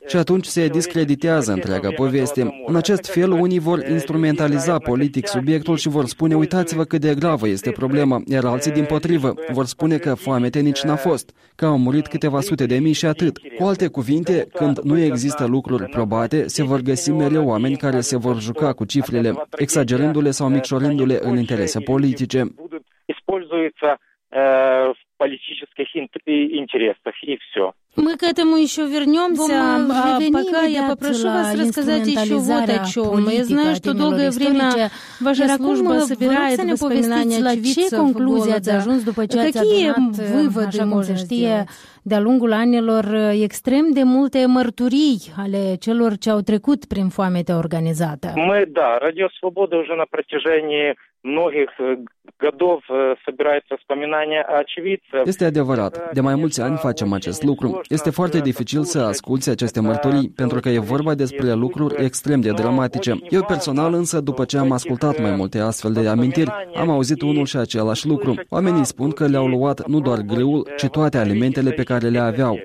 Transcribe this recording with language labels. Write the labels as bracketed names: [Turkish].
[Romanian] Și atunci se discreditează întreaga poveste. În acest fel, unii vor instrumentaliza politic subiectul și vor spune, uitați-vă cât de gravă este problema, iar alții, dimpotrivă, vor spune că foamete nici n-a fost, că au murit câteva sute de mii și atât. Cu alte cuvinte, când nu există lucruri probate, se vor găsi mereu oameni care se vor juca cu cifrele, exagerându-le sau micșorându-le în interese politice. [Russian] интересуется в политических интересах, и все. Мы к этому еще вернемся, а пока я попрошу вас рассказать еще вот о чем. Я знаю, что долгое время ваша служба собирает воспоминания очевидцев города. Какие выводы можете сделать? [Romanian] De-a lungul anilor, extrem de multe mărturii ale celor ce au trecut prin foamete organizată. [Russian] Мы, да, Радио Свобода уже на протяжении многих годов собирает воспоминания очевидцев. [Romanian] Este adevărat. De mai mulți ani facem acest lucru. Este foarte dificil să asculți aceste mărturii, pentru că e vorba despre lucruri extrem de dramatice. Eu personal însă, după ce am ascultat mai multe astfel de amintiri, am auzit unul și același lucru. Oamenii spun că le-au luat nu doar grâul, ci toate alimentele pe care le aveau.